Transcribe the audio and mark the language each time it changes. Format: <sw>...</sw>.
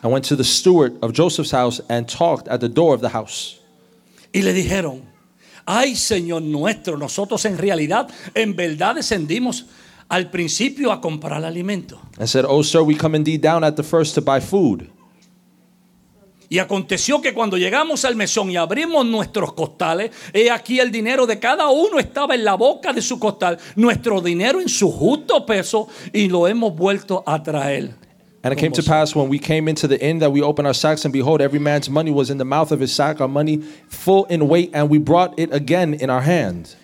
<en>And went to the steward of Joseph's house and talked at the door of the house.</en> <es>Y le dijeron, ay, Señor nuestro, nosotros en realidad, en verdad descendimos al principio a comprar alimento.</es> <en>And said, oh, sir, we come indeed down at the first to buy food.</en> <es>Y aconteció que cuando llegamos al mesón y abrimos nuestros costales, he aquí el dinero de cada uno estaba en la boca de su costal, nuestro dinero en su justo peso, y lo hemos vuelto a traer.</es> <en>And it came to pass when we came into the inn that we opened our sacks, and behold, every man's money was in the mouth of his sack, our money full in weight, and we brought it again in our hand.</en>